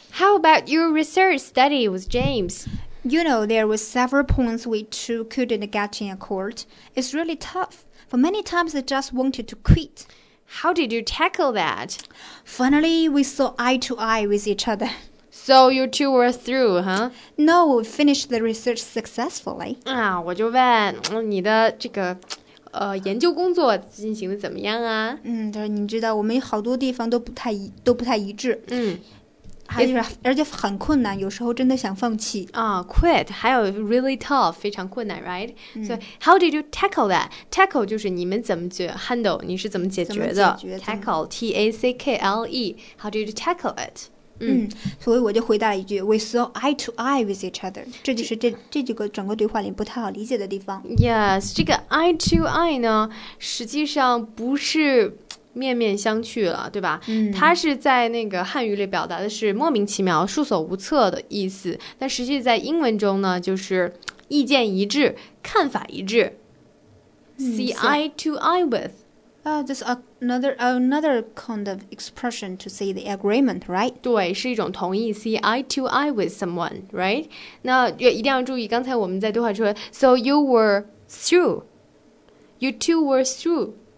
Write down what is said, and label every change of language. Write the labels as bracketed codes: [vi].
[en] How about your research study with James? You know, there were several points we two couldn't get in accord. It's really tough. For many times, I just wanted to quit. How did you tackle that? Finally, we saw eye to eye with each other. So you two were through, huh? No, we finished the research successfully. [zh] 啊，我就问你的这个，研究工作进行的怎么样啊？嗯，就是你知道我们好多地方都不太一致。嗯，还就是而且很困难，有时候真的想放弃啊。 [en] Quit， [zh] 还有 [en] really tough， [zh] 非常困难 ， [en] right？、嗯、 So how did you tackle that? Tackle [zh] 就是你们怎么解 [en] handle， [zh] 你是怎么解决的？怎么解决 [en] ？Tackle， T-A-C-K-L-E， how did you tackle it？嗯， [zh] 所以我就回答了一句 [en] We saw eye to eye with each other. [zh] 这就是 这个整个对话里不太好理解的地方。 [en] Yes, [zh] 这个 [en] eye to eye [zh] 呢实际上不是面面相觑了，对吧、嗯、它是在那个汉语里表达的是莫名其妙束手无策的意思，但实际在英文中呢就是意见一致看法一致、嗯、 [en] See eye to eye with That's another kind of expression to say the agreement, right? [zh] 对，是一种同意 [en] ，see eye to eye with someone, right? [zh] 那也一定要注意，刚才我们在对话说 ， [en] so you were through, [zh] you two were through.